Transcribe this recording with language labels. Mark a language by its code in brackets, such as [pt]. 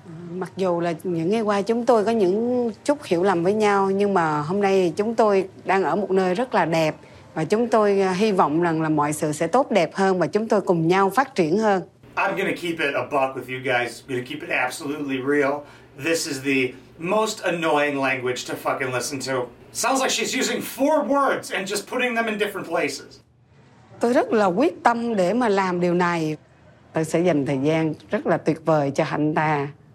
[vi] Mặc dù là những ngày qua chúng tôi có những chút hiểu lầm với nhau, nhưng mà hôm nay chúng tôi đang ở một nơi rất là đẹp. Và chúng tôi hy vọng rằng là mọi sự sẽ tốt đẹp hơn và chúng tôi cùng nhau phát triển hơn. [en] I'm gonna keep it a buck with you guys. I'm gonna keep it absolutely real. This is the most annoying language to fucking listen to. Sounds like she's using four words and just putting them in different places. [vi] Tôi rất là quyết tâm để mà làm điều này. Tôi sẽ dành thời gian rất là tuyệt vời cho hắn ta.